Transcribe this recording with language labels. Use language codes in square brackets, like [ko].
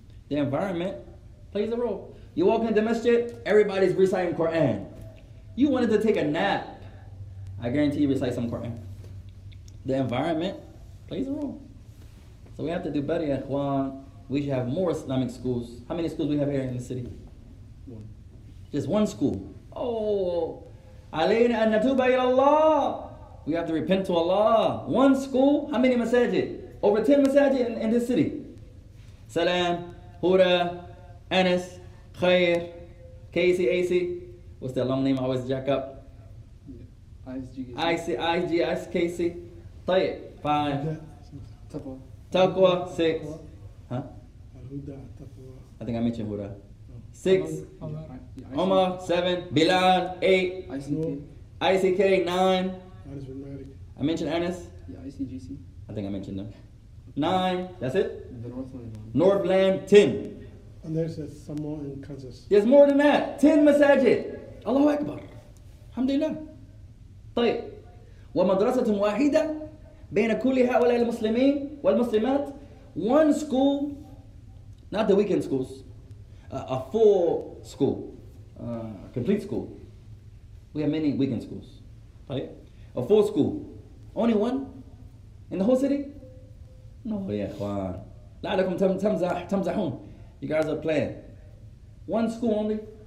[en] The environment plays a role. You walk in the masjid, everybody's reciting Quran. You wanted to take a nap, I guarantee you recite some Quran. The environment plays a role. So we have to do better, ikhwan. We should have more Islamic schools. How many schools do we have here in the city? One. Just one school. [ar] Oh, علينا أن نتوب إلى الله. [en] We have to repent to Allah. One school, how many masajid? Over 10 masajid in this city. Salam, Huda, Anas, Khair, Casey, AC. What's that long name I always jack up? Yeah. IG, IC, IG, IC, KC. Tayyip, five. Taqwa. Taqwa, six. Huda, I think I mentioned Huda. Six. Omar, seven. Bilal, eight. ICK, nine. Dramatic. I mentioned Anas. Yeah, ICGC. I think I mentioned them. Nine. That's it? The Northland. Northland, 10. And there's some more in Kansas. There's more than that. 10 masajid. Allahu Akbar. Alhamdulillah. [ar] طيب. ومدرسة واحدة بين كل هؤلاء المسلمين والمسلمات. [en] One school, not the weekend schools, a full school, a complete school. We have many weekend schools. [ar] طيب. [en] A full school, only one in the whole city? No, ikhwan. [ar] La'alakum tamzahun. [en] You guys are playing. One school only.